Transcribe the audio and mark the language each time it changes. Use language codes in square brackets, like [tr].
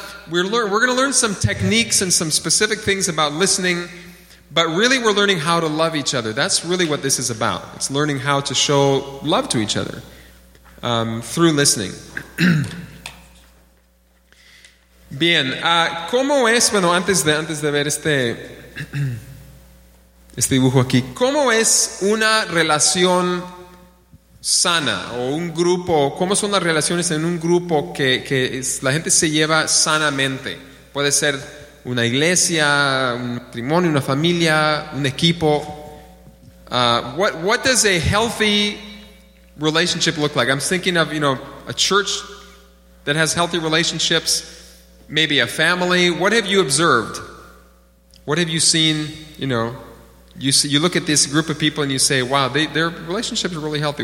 [en] We're going to learn some techniques and some specific things about listening, but really we're learning how to love each other. That's really what this is about. It's learning how to show love to each other through listening. [es] Bien, ¿cómo es? Bueno, antes de ver este dibujo aquí, ¿cómo es una relación sana o un grupo? ¿Cómo son las relaciones en un grupo que es, la gente se lleva sanamente? Puede ser una iglesia, un matrimonio, una familia, un equipo. [en] What does a healthy relationship look like? I'm thinking of, you know, a church that has healthy relationships, maybe a family. What have you observed? What have you seen, you know? You look at this group of people and you say, wow, their relationships are really healthy.